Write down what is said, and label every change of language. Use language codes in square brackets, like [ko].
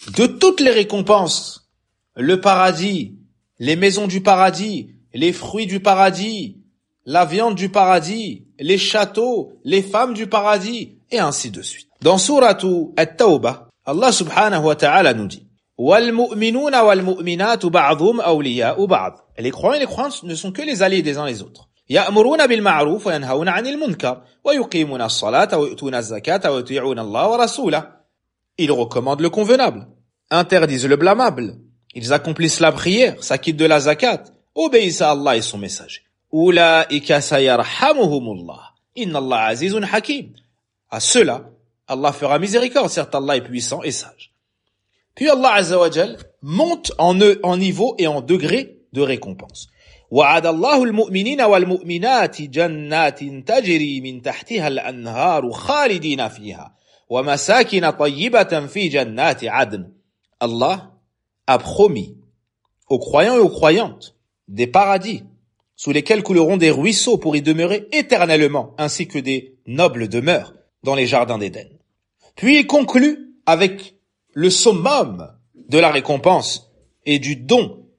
[fr] De toutes les récompenses, le paradis, les maisons du paradis, les fruits du paradis, la viande du paradis, les châteaux, les femmes du paradis, et ainsi de suite. Dans Sourate At-Tawbah, Allah subhanahu wa ta'ala nous dit « [ar] وَالْمُؤْمِنُونَ وَالْمُؤْمِنَاتُ بَعْضُهُمْ أَوْلِيَاءُ بَعْضٍ [fr] » Les croyants et les croyantes ne sont que les alliés des uns les autres. [ar] يأمرون بالمعروف وينهون عن المنكر ويقيمون الصلاة ويؤتون الزكاة ويطيعون الله ورسوله. [fr] Ils recommandent le convenable, interdisent le blâmable, ils accomplissent la prière, s'acquittent de la zakat, obéissent à Allah et son messager. [ar] أولئك سيرحمهم الله إن الله عزيز حكيم. [fr] À cela, Allah fera miséricorde, certes Allah est puissant et sage. Puis Allah Azza wa Jal monte en niveau et en degré de récompense. [ar] وعد الله المؤمنين والمؤمنات جنات تجري من تحتها الأنهار خالدين فيها ومساكن طيبة في جنات عدن. [fr] Allah a promis aux croyants et aux croyantes des paradis sous lesquels couleront des ruisseaux pour y demeurer éternellement, ainsi que des nobles demeures dans les jardins d'Éden. Puis il conclut avec le summum de la récompense et du don.